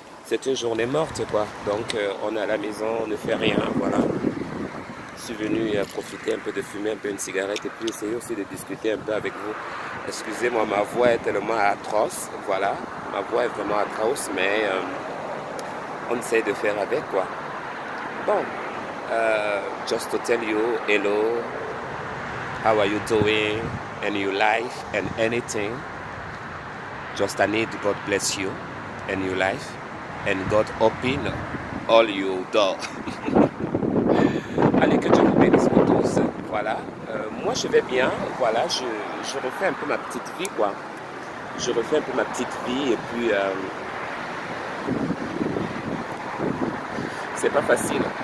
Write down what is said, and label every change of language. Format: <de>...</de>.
<fr>Cette journée morte, quoi. Donc, on est à la maison, on ne fait rien, voilà. Je suis venu profiter un peu de fumer un peu une cigarette et puis essayer aussi de discuter un peu avec vous. Excusez-moi, ma voix est tellement atroce, voilà. Ma voix est vraiment atroce, mais on essaye de faire avec, quoi.</fr> <en>Bon, just to tell you, hello, how are you doing, in your life, and anything. Just I need God bless you and your life. And God open all your doors.</en> <fr>Allez, que Dieu vous bénisse pour tous. Voilà. Moi, je vais bien. Voilà. Je refais un peu ma petite vie, quoi. Je refais un peu ma petite vie. Et puis, c'est pas facile.</fr>